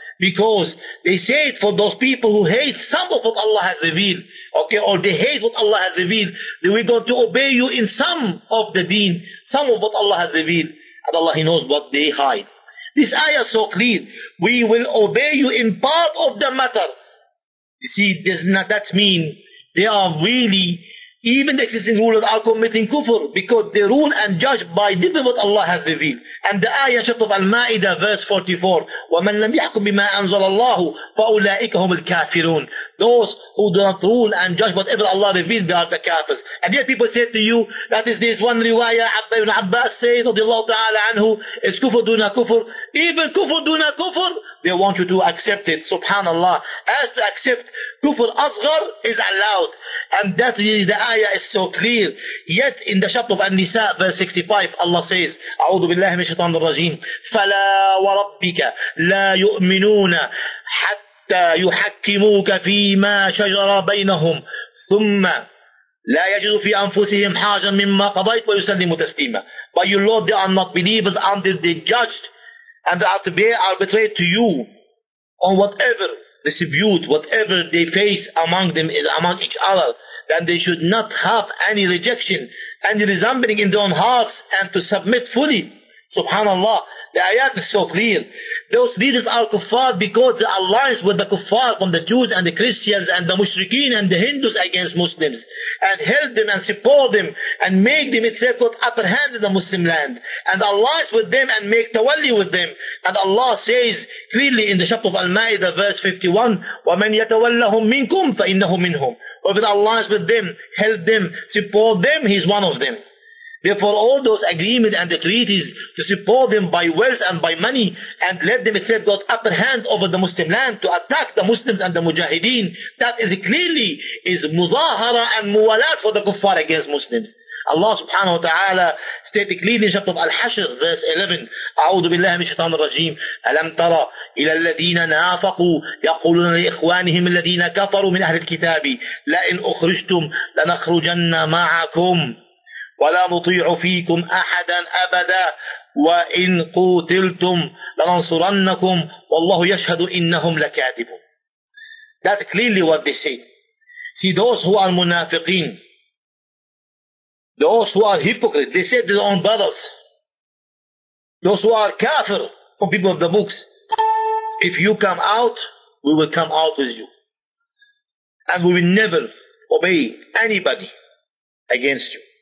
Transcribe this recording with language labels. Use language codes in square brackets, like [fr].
[en] Because they say it for those people who hate some of what Allah has revealed, okay, or they hate what Allah has revealed, that we're going to obey you in some of the deen, some of what Allah has revealed, and Allah, He knows what they hide. This ayah is so clear. We will obey you in part of the matter. You see, does not that mean they are really, Even the existing rulers are committing kufr because they rule and judge by different what Allah has revealed. And the ayah chapter of Al-Ma'idah verse 44, [ar] وَمَنْ لَمْ يَحْكُمْ بِمَا أَنْزَلَ اللَّهُ فَأُولَٰئِكَ هُمُ الْكَافِرُونَ. [en] Those who do not rule and judge whatever Allah revealed, they are the kafirs. And yet people say to you, that is this one riwayah, Abba ibn Abbas says, radiallahu ta'ala anhu, is kufr duna kufr. Even kufr duna kufr, they want you to accept it. Subhanallah. As to accept kufr asghar is allowed. And that is the ayah is so clear. Yet in the chapter of An-Nisa, verse 65, Allah says, [ar] أعوذ بالله من الشيطان الرجيم فلا وربك لا يؤمنون حتى يحكموك فيما شجر بينهم ثم لا يجدوا في أنفسهم حاجة مما قضيت ويسلموا تسليما. [en] But your Lord, they are not believers until they judged and they arbitrate to you on whatever dispute, whatever they face among them, among each other, then they should not have any rejection, any resembling in their own hearts, and to submit fully. Subhanallah, the ayat is so clear. Those leaders are kuffar because the alliance with the kuffar from the Jews and the Christians and the mushrikeen and the Hindus against Muslims, and help them and support them and make them itself put upper hand in the Muslim land, and alliance with them and make tawalli with them. And Allah says clearly in the chapter of Al-Ma'idah verse 51, [ar] وَمَنْ يَتَوَلَّهُمْ مِنْكُمْ فَإِنَّهُ مِنْهُمْ. [en] Whoever alliance with them, help them, support them, he's one of them. Therefore, all those agreements and the treaties to support them by wealth and by money, and let them itself got upper hand over the Muslim land to attack the Muslims and the Mujahideen, that is clearly is muzahara and muwalat for the kuffar against Muslims. Allah subhanahu wa ta'ala stated clearly in chapter of Al-Hashr, verse 11, [ar] أعوذ بالله من الشيطان الرجيم ألم ترى إلى الذين نافقوا يقولون لإخوانهم الذين كفروا من أهل الكتاب لئن أخرجتم لنخرجن معكم ولا نطيع فيكم أحدا أبدا وإن قتلتم لننصرنكم والله يشهد إنهم لكاذبون. [en] That clearly what they say. See, those who are munafiqeen, those who are hypocrites, they said their own brothers, those who are kafir from people of the books, if you come out, we will come out with you, and we will never obey anybody against you.